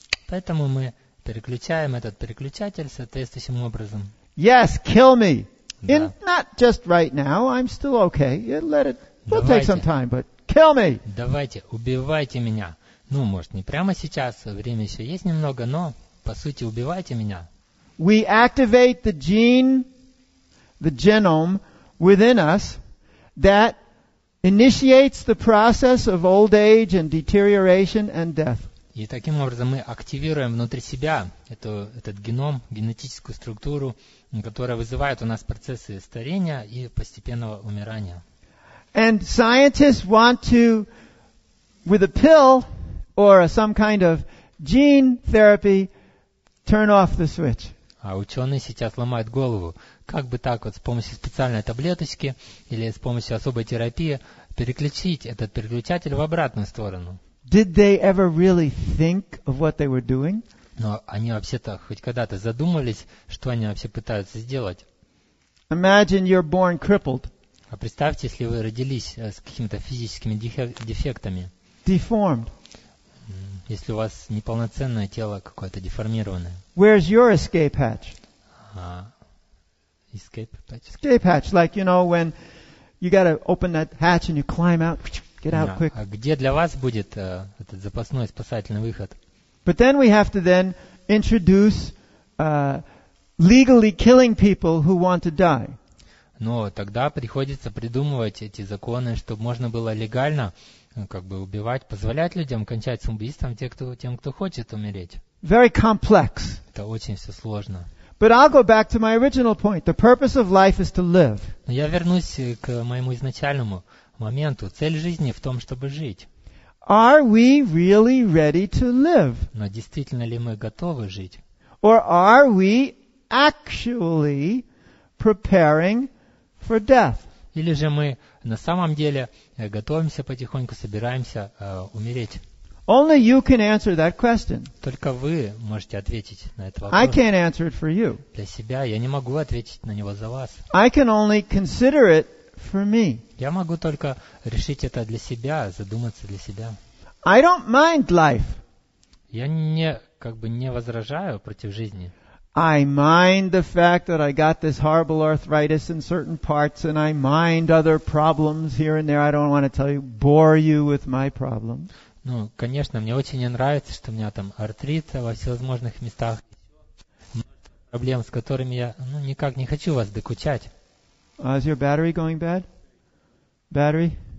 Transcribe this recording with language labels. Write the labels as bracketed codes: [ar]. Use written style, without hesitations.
[ru] Поэтому мы переключаем этот переключатель соответствующим образом. [en] Yes, kill me. Да. And not just right now. I'm still okay. Yeah, let it. We'll take some time, but kill me. [ru] Давайте, убивайте меня. Ну, может, не прямо сейчас. Время еще есть немного, но по сути убивайте меня. [en] We activate the gene, the genome within us that initiates the process of old age and deterioration and death. [ru] И таким образом мы активируем внутри себя этот геном, генетическую структуру, которая вызывает у нас процессы старения и постепенного умирания. [en] And scientists want to, with a pill or some kind of gene therapy, turn off the switch. [ru] А ученые сейчас ломают голову. Как бы так вот с помощью специальной таблеточки или с помощью особой терапии переключить этот переключатель в обратную сторону? [en] Did they ever really think of what they were doing? [ru] Но они вообще-то хоть когда-то задумывались, что они вообще пытаются сделать? [en] Imagine you're born crippled. [ru] А представьте, если вы родились с какими-то физическими дефектами. [en] Deformed. [ru] Если у вас неполноценное тело какое-то деформированное. [en] Where's your escape hatch? Escape hatch. Escape hatch, like you know when you gotta open that hatch and you climb out. Get out quick. [ru] А где для вас будет этот запасной спасательный выход? [en] But then we have to then introduce legally killing people who want to die. [ru] Но тогда приходится придумывать эти законы, чтобы можно было легально как бы убивать, позволять людям кончать самоубийством тем, кто хочет умереть. [en] Very complex. [ru] Это очень все сложно. [en] But I'll go back to my original point. The purpose of life is to live. [ru] Но я вернусь к моему изначальному моменту. Цель жизни в том, чтобы жить. [en] Are we really ready to live? [ru] Но действительно ли мы готовы жить? [en] Or are we actually preparing for death? [ru] Или же мы на самом деле готовимся потихоньку, собираемся умереть? [en] Only you can answer that question. [ru] Только вы можете ответить на этот вопрос. [en] I can't answer it for you. [ru] Для себя я не могу ответить на него за вас. [en] I can only consider it for me. [ru] Я могу только решить это для себя, задуматься для себя. [en] I don't mind life. [ru] Я не возражаю против жизни. [en] I mind the fact that I got this horrible arthritis in certain parts, and I mind other problems here and there. I don't want to tell you, bore you with my problems. [ru] Ну, конечно, мне очень не нравится, что у меня там артрит во всевозможных местах, проблем, с которыми я никак не хочу вас докучать. [en] Is your battery going bad? Battery?